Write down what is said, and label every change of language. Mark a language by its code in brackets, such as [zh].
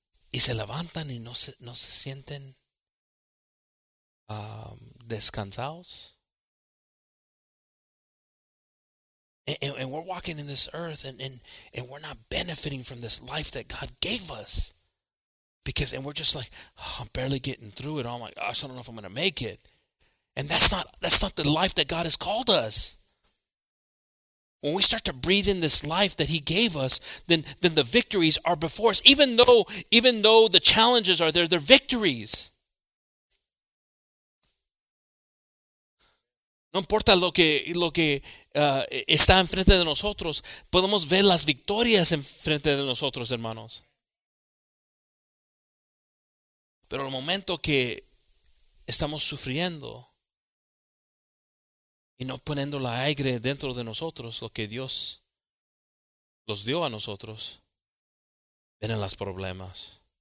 [es] Y se levantan y no se sienten descansados. [en] And we're walking in this earth and we're not benefiting from this life that God gave us. And we're just like, oh, I'm barely getting through it. Oh my gosh, I don't know if I'm going to make it. And that's not the life that God has called us. When we start to breathe in this life that he gave us, then the victories are before us. Even though the challenges are there, they're victories. [es] No importa lo que está enfrente de nosotros, podemos ver las victorias enfrente de nosotros, hermanos. Pero el momento que estamos sufriendo y no poniendo la aire dentro de nosotros, lo que Dios los dio a nosotros, vienen los problemas.